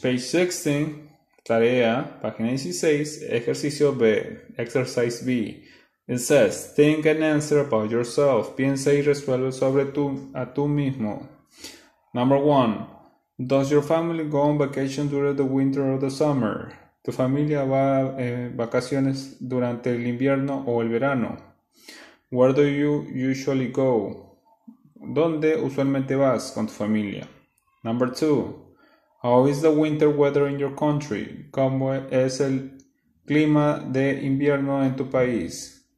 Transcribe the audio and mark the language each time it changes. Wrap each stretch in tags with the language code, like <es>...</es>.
<en>Page 16.</en> <es>Tarea. Página 16. Ejercicio B.</es> <en>Exercise B. It says, think and answer about yourself.</en> <es>Piensa y resuelve sobre tú mismo.</es> <en>Number one, does your family go on vacation during the winter or the summer?</en> <es>¿Tu familia va en vacaciones durante el invierno o el verano?</es> <en>Where do you usually go?</en> <es>¿Dónde usualmente vas con tu familia?</es> <en>Number two. How is the winter weather in your country?</en> <es>¿Cómo es el clima de invierno en tu país?</es>